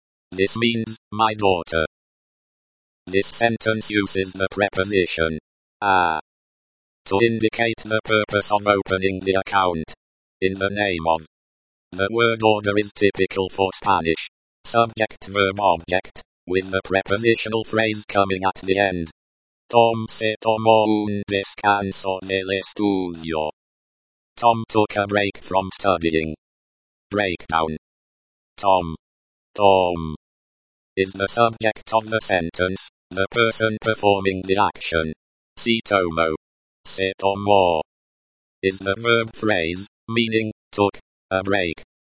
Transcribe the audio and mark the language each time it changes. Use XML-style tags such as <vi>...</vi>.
<en>This means, my daughter. This sentence uses the preposition a to indicate the purpose of opening the account. In the name of. The word order is typical for Spanish. Subject verb object, with the prepositional phrase coming at the end.</en> <es>Tom se tomó un descanso en el estudio.</es> <en>Tom took a break from studying. Breakdown. Tom. Is the subject of the sentence, the person performing the action.</en> <es>Si tomó. Se tomó.</es> <en>Is the verb phrase, meaning, took, a break.</en>